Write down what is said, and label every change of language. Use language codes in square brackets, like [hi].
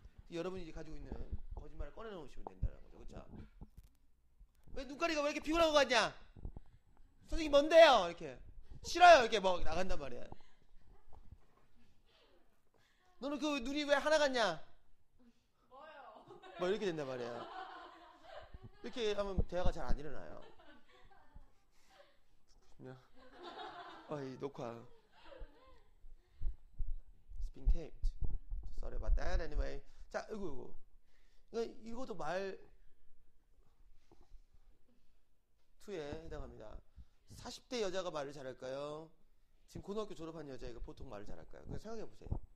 [ko] 여러분이 이제 가지고 있는 거짓말을 꺼내놓으시면 된다는 거죠. 그쵸? 왜 눈가리가 왜 이렇게 피곤한 것 같냐, 선생님 뭔데요? 이렇게 싫어요. 이렇게 막 나간단 말이야. 너는 그 눈이 왜 하나 같냐? 뭐요? 뭐 이렇게 된단 말이야. 이렇게 하면 대화가 잘 안 일어나요. [en] 이 녹화 It's being taped. Sorry about that. Anyway. [ko] 자, 이거 이것도 말 2에 해당합니다. 40대 여자가 말을 잘할까요? 지금 고등학교 졸업한 여자애가 보통 말을 잘할까요? 그냥 생각해 보세요.